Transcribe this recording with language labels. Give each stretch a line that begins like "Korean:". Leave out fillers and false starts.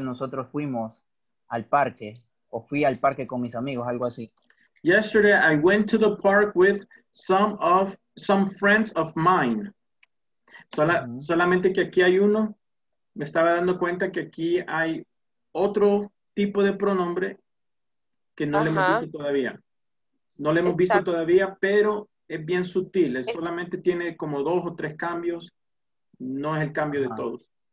Spanish: Nosotros fuimos al parque, o fui al parque con mis amigos, algo así.
English: Yesterday I went to the park with some friends of mine.
Spanish: Solamente que aquí hay uno, me estaba dando cuenta que aquí hay otro tipo de pronombre que no le hemos visto todavía. No le hemos visto todavía, pero es bien sutil, solamente tiene como dos o tres cambios, no es el cambio de todos.